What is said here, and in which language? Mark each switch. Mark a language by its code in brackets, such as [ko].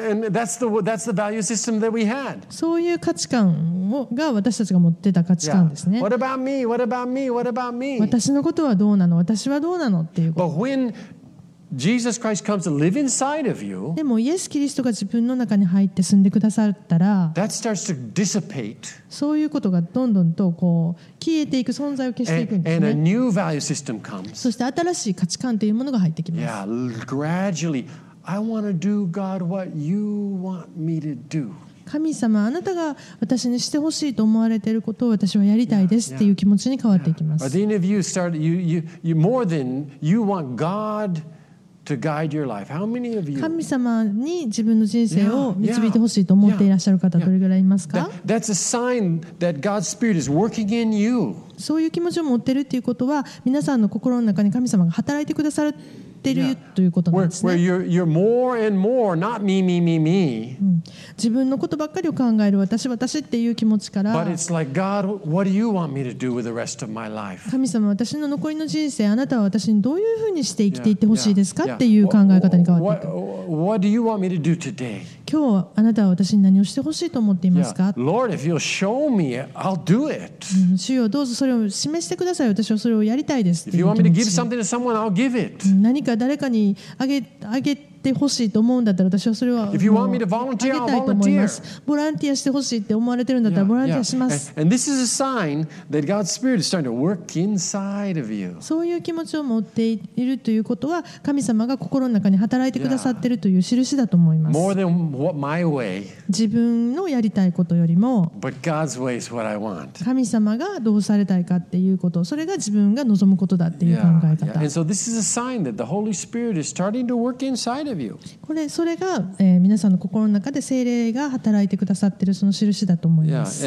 [en] That's the value system that we had. [ja] そういう価値観が私たちが持ってた価値観ですね。 [en] Yeah. What about me? What about me? What about me? [ja] 私のことはどうなの？私はどうなの？っていうこと。 [en] But when Jesus Christ comes to live inside of you, [ja] でもイエス・キリストが自分の中に入って住んでくださったら、 [en] that starts to dissipate. [ja] そういうことがどんどんとこう消えていく、存在を消していくんですね。 [en] And a new value system comes. [ja] そして新しい価値観というものが入ってきます。 [en] Yeah, gradually, I want to do God what you want me to do. [ja] 神様、あなたが私にしてほしいと思われていることを私はやりたいですっていう気持ちに変わっていきます。 [en] Are there any of you start you more than you want God? To guide your life. How many of you? [ja] 神様に自分の人生を導いてほしいと思っていらっしゃる方どれぐらいいますか？ [en] That's a sign that God's Spirit is working in you. [ja] そういう気持ちを持ってるっていうことは、皆さんの心の中に神様が働いてくださってるということなんですね。 [en] Where you're more and more, not me, me, me, me. [ja] 自分のことばっかりを考える私っていう気持ちから、 [en] But it's like, God, what do you want me to do with the rest of my life? [ja] 神様、私の残りの人生、あなたは私にどういうふうにして生きていってほしいですかっていう考え方に変わっていく。 [en] What do you want me to do today? [ja] 今日、あなたは私に何をしてほしいと思っていますか？ [en] Lord, if you'll show me, I'll do it. [ja] 主よ、どうぞそれを示してください。私はそれをやりたいですっていう気持ち。 [en] If you want me to give something to someone, I'll give it. [ja] 何か誰かにあげて欲しいと思うんだったら、私はそれはあげたいと思います。ボランティアしてほしいって思われてるんだったらボランティアします。 [en] And this is a sign that God's Spirit is starting to work inside of you. [ja] そういう気持ちを持っているということは、神様が心の中に働いてくださっているという印だと思います。 [en] More than what my way, [ja] 自分のやりたいことよりも、 [en] But God's way is what I want. [ja] 神様がどうされたいかっていうこと、それが自分が望むことだっていう考え方。 [en] And so this is a sign that the Holy Spirit is starting to work inside of you. [ja] これそれが、皆さんの心の中で聖霊が働いてくださっているその印だと思います。